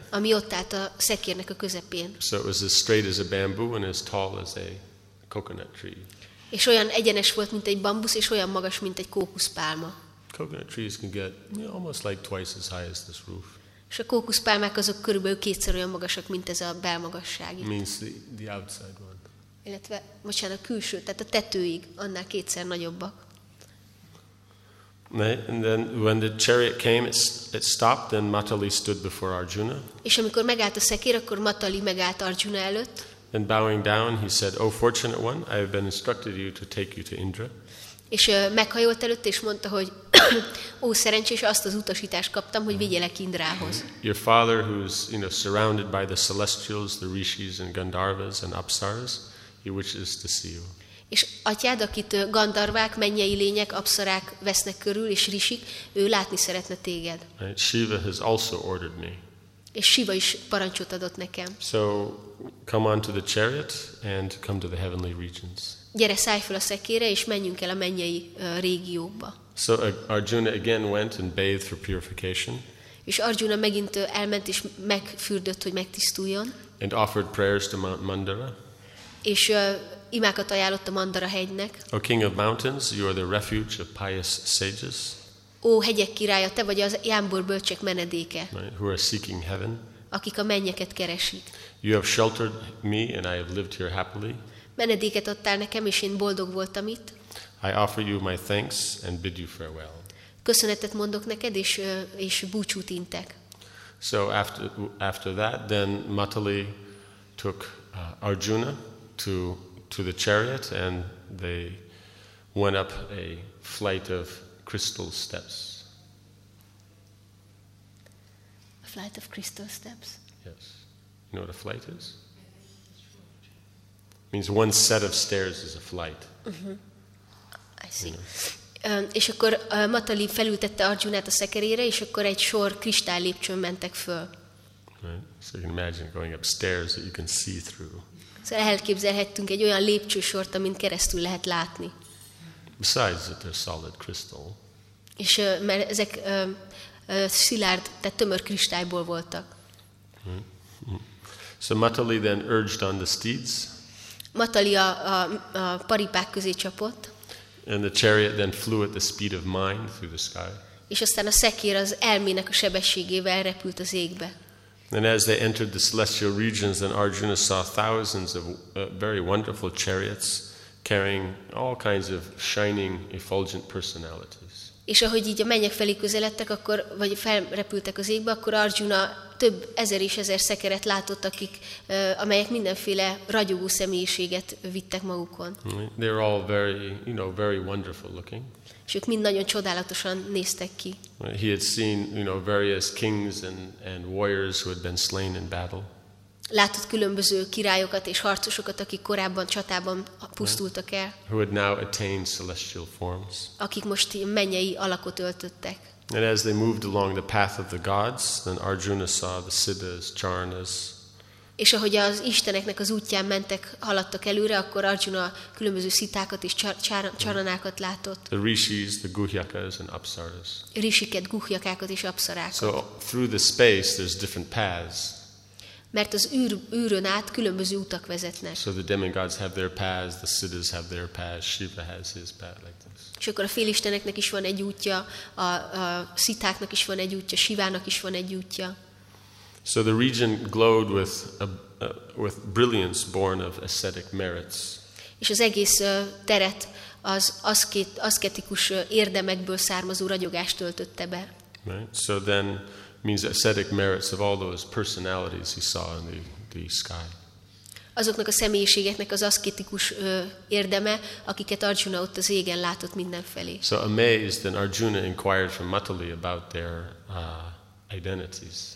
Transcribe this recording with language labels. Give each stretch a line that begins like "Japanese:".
Hungarian: Ami ott állt a szekérnek a közepén.
English: So it was as straight as a bamboo and as tall as a coconut tree.
Hungarian: És olyan egyenes volt, mint egy bambusz, és olyan magas, mint egy kókuszpálma.
English: Coconut trees can get, you know, almost like twice as high as this roof.
Hungarian: És a kókuszpálmák azok körülbelül kétszer olyan magasak, mint ez a belmagasság.
English: Means the outside one.
Hungarian: Illetve, bocsánat, a külső, tehát a tetőig, annál kétszer nagyobbak.
English: And then when the chariot came, it stopped, and Matali stood before Arjuna.
Hungarian: És amikor megállt a szekér, akkor Matali megállt Arjuna előtt.
English: And bowing down, he said, "O fortunate one, I have been instructed you to take you to Indra."
Hungarian: És meghajolt előtt, és mondta, hogy ó, szerencsés, azt az utasítást kaptam, hogy vigyelek Indrához.
English: Your father, who's, you know, surrounded by the celestials, the rishis and gandharvas and apsaras, he wishes to see you.
Hungarian: És atyád, akit gandharvák, mennyei lények, apsarák vesznek körül, és rishik, ő látni szeretne téged.
English: Right? Shiva has also ordered me.
Hungarian: És Shiva is parancsot adott nekem.
English: So, come on to the chariot and come to the heavenly regions.
Hungarian: Gyere, szállj fel a szekére, és menjünk el a mennyei régiókba.
English: So Arjuna again went and bathed for purification.
Hungarian: És Arjuna megint elment és megfürdött, hogy megtisztuljon.
English: And offered prayers to Mount Mandara.
Hungarian: És imákat ajánlott a Mandara hegynek.
English: O king of mountains, you are the refuge of pious sages.
Hungarian: Ó, hegyek királya, te vagy az jámbor bölcsek menedéke.
English: Right, who are seeking heaven.
Hungarian: Akik a mennyeket keresik.
English: You have sheltered me and I have lived here happily.
Hungarian: Menedéket adtál nekem, és én boldog voltam itt.
English: I offer you my thanks and bid you farewell.
Hungarian: Köszönetet mondok neked, és búcsút intek.
English: So after that, then Matali took Arjuna to the chariot and they went up a flight of crystal steps. A flight of crystal steps? Yes. You know what a flight is? Means one set of stairs is a flight. Uh-huh. I see.
Hungarian: És akkor Matali felültette Arjunát a szekerére, és akkor egy sor kristály lépcsőn mentek föl.
English: Right. So you can imagine going up stairs that you can see through.
Hungarian: Szóval elképzelhettünk egy olyan lépcsősort, amin keresztül lehet látni.
English: Besides that they're solid crystal.
Hungarian: És mert ezek szilárd, tehát tömör kristályból voltak.
English: Right. So Matali then urged on the steeds.
Hungarian: Matali a paripák közé csapott.
English: And the chariot then flew at the speed of mind through the sky.
Hungarian: És aztán a szekér az elmének a sebességével repült az égbe.
English: And as they entered the celestial regions, then Arjuna saw thousands of very wonderful chariots carrying all kinds of shining, effulgent personalities.
Hungarian: És ahogy így a mennyek felé közeledtek, akkor vagy felrepültek az égbe, akkor Arjuna több ezer és ezer szekeret látott, akik, amelyek mindenféle ragyogó személyiséget vittek magukon.
English: They're all very, you know, very wonderful looking.
Hungarian: És ők mind nagyon csodálatosan néztek ki.
English: He had seen, you know, various kings and warriors who had been slain in battle.
Hungarian: Látott különböző királyokat és harcosokat, akik korábban csatában pusztultak el.
English: Who had now attained celestial forms.
Hungarian: Akik most mennyei alakot öltöttek.
English: And as they moved along the path of the gods, then Arjuna saw the Siddhas, Charanas.
Hungarian: És ahogy az isteneknek az útján mentek, haladtak előre, akkor Arjuna különböző szitákat és csaranákat látott.
English: The rishis, the guhyakas and apsaras.
Hungarian: Rishiket, guhyakákat és apsarákat.
English: So through the space there's different paths.
Hungarian: Mert az űrön át különböző utak vezetnek.
English: So the demigods have their paths, the siddhas have their paths, Shiva has his path like this.
Hungarian: És akkor a félisteneknek is van egy útja, a szitáknak is van egy útja, Shivának is van egy útja.
English: So the region glowed with with brilliance born of ascetic merits.
Hungarian: És az egész teret az aszketikus érdemekből származó ragyogást töltötte be.
English: Right. So then means ascetic merits of all those personalities he saw in the sky.
Hungarian: Azoknak a személyiségeknek az aszketikus érdeme, akiket Arjuna ott az égen látott mindenfelé.
English: So amazed, then Arjuna inquired from Matali about their identities.